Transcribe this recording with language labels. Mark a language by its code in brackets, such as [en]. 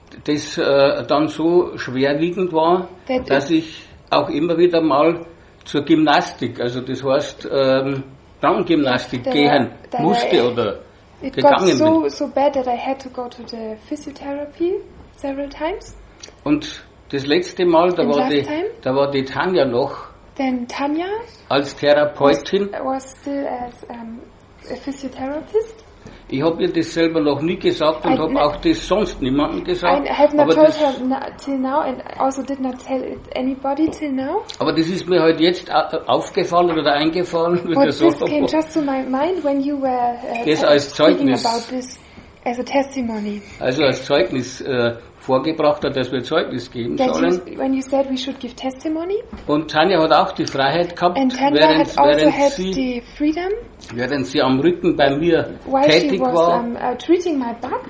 [de] das dann so schwerwiegend war, dass ich auch immer wieder mal zur Gymnastik, also das heißt Raumgymnastik, gehen musste oder gegangen bin. [en] It got so bad that I had to go to the physiotherapy several times. [de] Und das letzte Mal, da war die Tanja noch. [en] Then Tanja [de] als Therapeutin. [en] Was still as a physiotherapist. [de] Ich habe ihr das selber noch nie gesagt und habe auch das sonst niemandem gesagt. [en] I have not told her till now and also did not tell it anybody till now. [de] Aber das ist mir halt jetzt aufgefallen oder eingefallen. [en] But this came just to my mind when you were speaking about this as a testimony. [de] Also als Zeugnis vorgebracht hat, dass wir Zeugnis geben [en] that [de] sollen. [en] When you said we should give testimony. [de] Und Tanja hat auch die Freiheit gehabt, während sie am Rücken bei mir tätig war. [en] Treating my back.